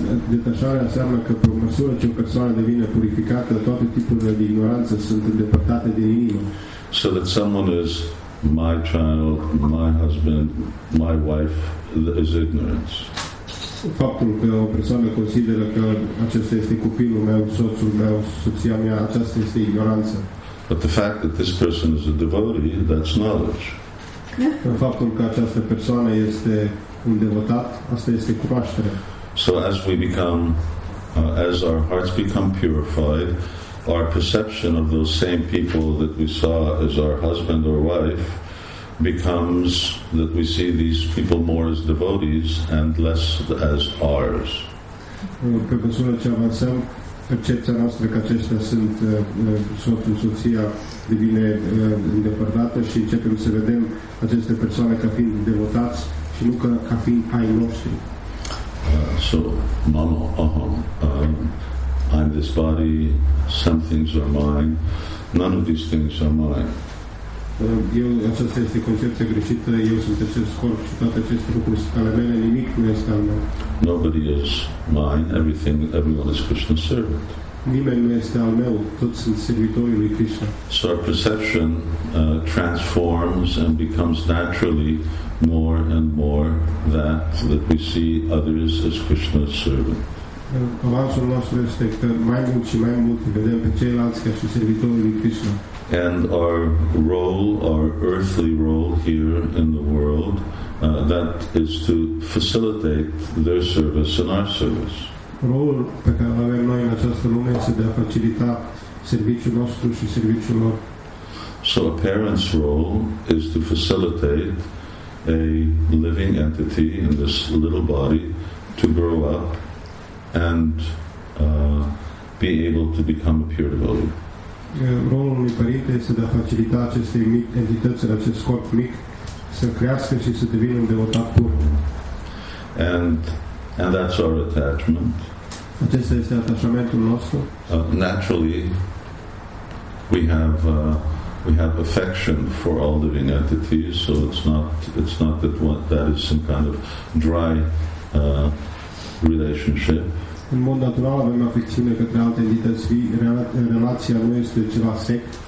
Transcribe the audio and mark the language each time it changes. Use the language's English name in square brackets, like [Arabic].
[Romanian] Detașarea înseamnă că pe măsură ce o persoană devine purificată, toate tipurile de ignoranță sunt îndepărtate din inimă. [English] So that someone is my child, my husband, my wife, that is ignorance. [Romanian] Faptul că o persoană consideră că acesta este copilul meu, soțul meu, soția mea, aceasta este ignoranță. [English] But the fact that this person is a devotee, that's knowledge. [Romanian] Faptul că această persoană este un devotat, asta este cunoaștere. [English] So as we become, as our hearts become purified, our perception of those same people that we saw as our husband or wife becomes that we see these people more as devotees and less as ours. [Romanian] Pe măsură ce avansăm, percepția noastră că acestea sunt soțul, soția, devine îndepărtată și începem să vedem aceste persoane ca fiind devotați și nu ca fiind ai noștri. [English] So, [Sanskrit] mama, aham, [English] I'm this body, some things are mine, none of these things are mine. [Romanian] Aceasta este concepția greșită, eu sunt acest corp și toate aceste lucruri sunt ale mele, nimic nu este al meu. [English] Nobody is mine, everyone is Krishna's servant. [Romanian] Nimeni nu este al meu, toți sunt servitorii lui Krishna. [English] So our perception transforms and becomes naturally more and more that we see others as Krishna's servant. [Romanian] Avansul nostru este că mai mult și mai mult vedem pe ceilalți ca și servitorii lui Krishna. [English] And our role, our earthly role here in the world, that is to facilitate their service and our service. [Romanian] Rolul pe care avem noi în această lume este de a facilita serviciul nostru și serviciul lor. [English] So a parent's role is to facilitate a living entity in this little body to grow up and be able to become a pure devotee. [Romanian] Rolul unui părinte este de a facilita acestei mici entități, acest corp mic, să crească și să devină un devotat pur. [English] And that's our attachment. [Romanian] Acesta este atașamentul nostru. [English] Naturally, we have affection for all living entities, so it's not that one, that is some kind of dry relationship. [Romanian] În mod natural avem afecțiune către alte entități vii, relația nu este ceva sec.